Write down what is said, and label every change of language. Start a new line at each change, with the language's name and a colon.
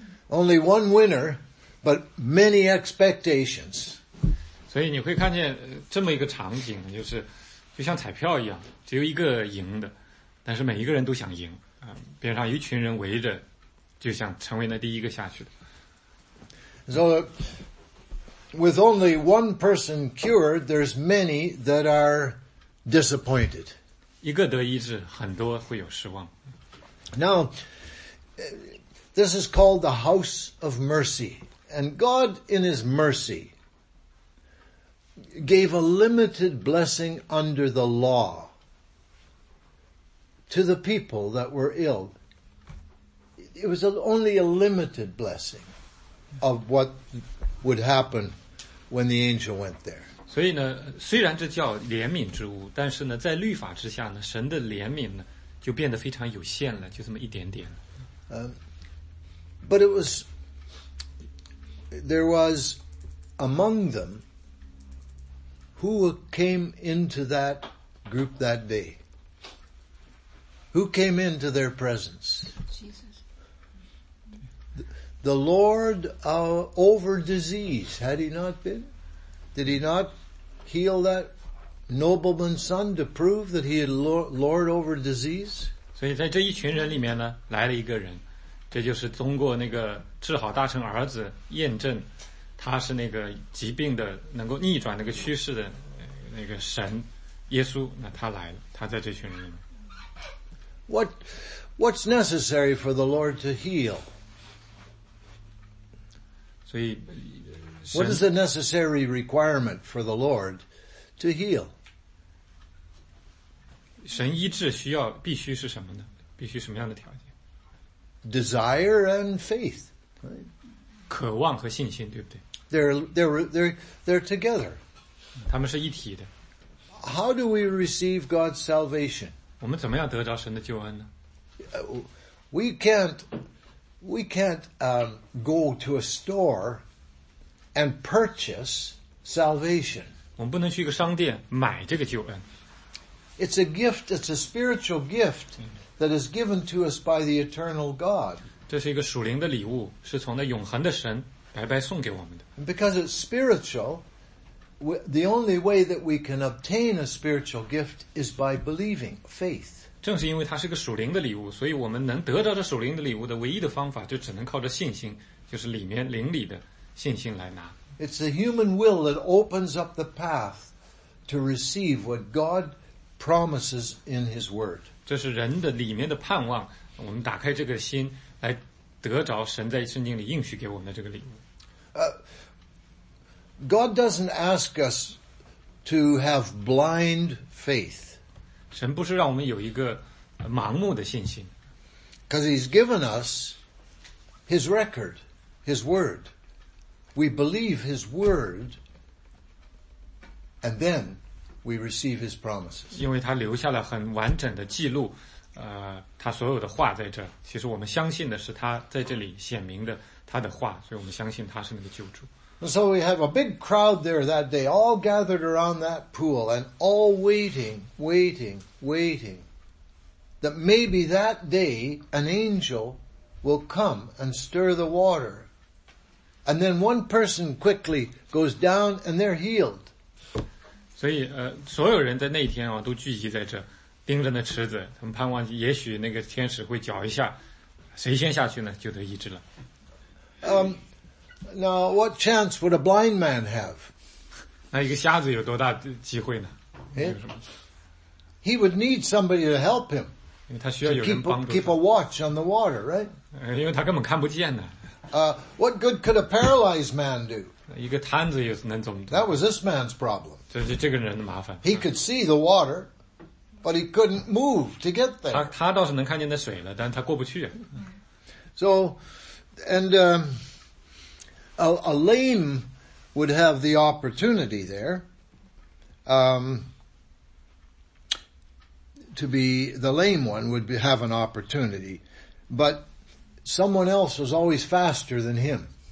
English: Only one winner, but many expectations.
Chinese: 所以你会看见这么一个场景，就是就像彩票一样，只有一个赢的，但是每一个人都想赢，边上一群人围着，就想成为那第一个下去的。
English: So, with only one person cured, there's many that are disappointed.
Chinese: 一个得医治，很多会有失望。
English: Now, this is called the house of mercy. And God, in his mercy, gave a limited blessing under the law to the people that were ill. It was only a limited blessing. Of what would happen when the angel went there.
Chinese: 所以呢，虽然这叫怜悯之物，但是呢，在律法之下呢，神的怜悯呢就变得非常有限了，就这么一点点。
English: But it was there was among them who came into that group that day. Who came into their presence? Jesus. The Lord, over disease, had he not been? Did he not heal that nobleman's son to prove that he had Lord over disease?
Chinese: 所以在这一群人里面呢，来了一个人，这就是通过那个治好大臣儿子验证，他是那个疾病的能够逆转那个趋势的那个神，耶稣。那他来了，他在这群人里面。
English: What's necessary for the Lord to heal? What is the necessary requirement for the Lord to heal?
Chinese: 神医治需要必须是什么呢？必须什么样的条件
English: ？Desire and faith,
Chinese: 渴望和信心，对不对
English: ？They're together.
Chinese: 他们是一体的。
English: How do we receive God's salvation?
Chinese: 我们怎么样得着神的救恩呢
English: We can't go to a store and purchase salvation.
Chinese: 我们不能去一个商店买这个救恩。
English: It's a gift, it's a spiritual gift that is given to us by the eternal God.
Chinese: 这是一个属灵的礼物，是从那永恒的神白白送给我们的。
English: Because it's spiritual, the only way that we can obtain a spiritual gift is by believing, faith.
Chinese: 正是因为它是个属灵的礼物，所以我们能得到这属灵的礼物的唯一的方法，就只能靠着信心，就是里面灵里的信心来拿。
English: It's the human will that opens up the path to receive what God promises in His Word.
Chinese: 这是人的里面的盼望，我们打开这个心来得着神在圣经里应许给我们的这个礼物。
English: God doesn't ask us to have blind faith.
Chinese: 神不是让我们有一个盲目的信心。
English: Because he's given us his record, his word. We believe his word, and then we receive his promises.
Chinese: 因为他留下了很完整的记录，他所有的话在这儿。其实我们相信的是他在这里显明的他的话，所以我们相信他是那个救主。
English: So we have a big crowd there that day, all gathered around that pool and all waiting, that maybe that day an angel will come and stir the water. And then one person quickly goes down and they're healed.
Chinese: 所以所有人在那天啊都聚集在这盯着那池子，他们盼望也许那个天使会搅一下，谁先下去呢就得医治了。
English: Now, what chance would a blind man have?
Chinese: 那一个瞎子有多大机会呢？
English: He would need somebody to help him.
Chinese: 因为他需要有人帮助。
English: Keep a watch on the water, right?
Chinese: 因为他根本看不见呢。
English: What good could a paralyzed man do?
Chinese: 一个瘫子又能怎么？
English: That was this man's problem.
Chinese: 这个人的麻烦。
English: He could see the water. but he couldn't move to get there.
Chinese: 他倒是能看见那水了，但他过不去。
English: So, and a lame would have the opportunity there. To be the lame one would be, have an opportunity, but someone else was always faster than him.